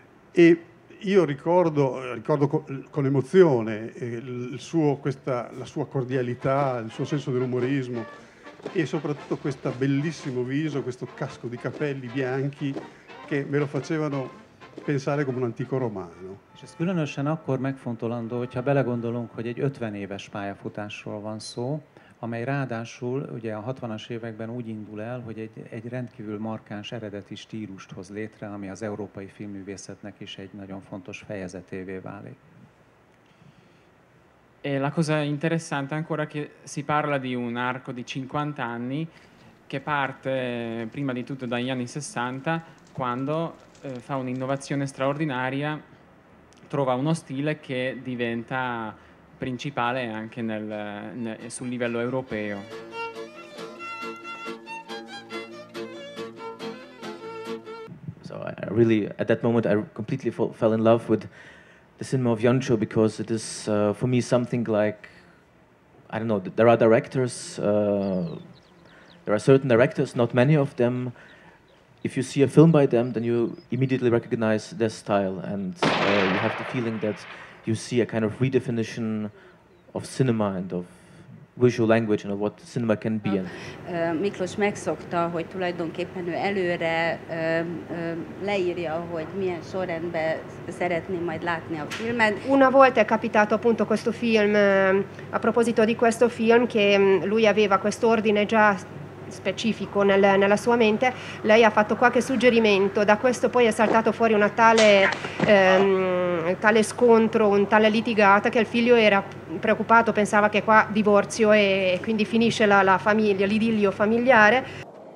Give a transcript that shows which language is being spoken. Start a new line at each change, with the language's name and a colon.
Italian: E io ricordo con emozione la sua cordialità, il suo senso dell'umorismo e soprattutto questo bellissimo viso, questo casco di capelli bianchi che me lo facevano pensare come un antico romano.
Hungarian: Ez különösen akkor megfontolandó, hogyha belegondolunk, hogy egy 50 éves pályafutásról van szó, amely ráadásul ugye a 60-as években úgy indul el, hogy egy rendkívül markáns eredeti stílust hoz létre, ami az európai filmművészetnek is egy nagyon fontos fejezetévé válik.
Italian: E la cosa interessante ancora che si parla di un arco di 50 anni che parte prima di tutto dagli anni 60, quando fa un'innovazione straordinaria, trova uno stile che diventa principale anche sul livello europeo.
English: So I really, at that moment, I completely fell in love with the cinema of Yancho, because it is for me something like, I don't know, there are directors, there are certain directors, not many of them. If you see a film by them, then you immediately recognize their style, and you have the feeling that you see a kind of redefinition of cinema and of visual language and of what cinema can be.
Hungarian: Miklós megszokta, hogy tulajdonképpen ő előre leírja, hogy milyen sorrendben szeretné majd látni a filmet.
Italian: Una volta è capitato appunto questo film, a proposito di questo film, che lui aveva questo ordine già specifico nella sua mente, lei ha fatto qualche suggerimento, da questo poi è saltato fuori una tale scontro, un tale litigata, che il figlio era preoccupato, pensava che qua divorzio e quindi finisce la famiglia, l'idillio familiare.